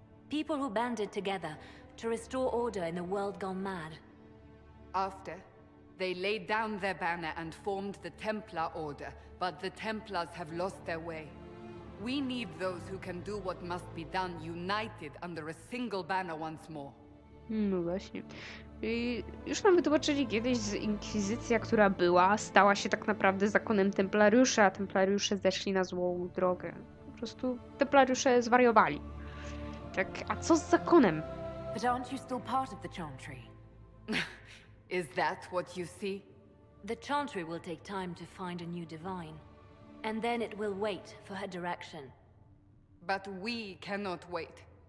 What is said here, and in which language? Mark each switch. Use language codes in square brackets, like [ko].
[en] People who banded together to restore order in a world gone mad. After, they laid down their banner and formed the Templar Order, but the Templars have lost their way. We need those who can do what must be done united under a single banner once more. [pl] No właśnie. I już nam wytłumaczyli kiedyś, z Inkwizycja, która była, stała się tak naprawdę zakonem Templariusza, a Templariusze zeszli na złą drogę. Po prostu Templariusze zwariowali. Tak, a co z zakonem? [en] But aren't you still part of the Chantry? Is that what you see? The Chantry will take time to find a new divine, and then it will wait for her direction. But we cannot wait.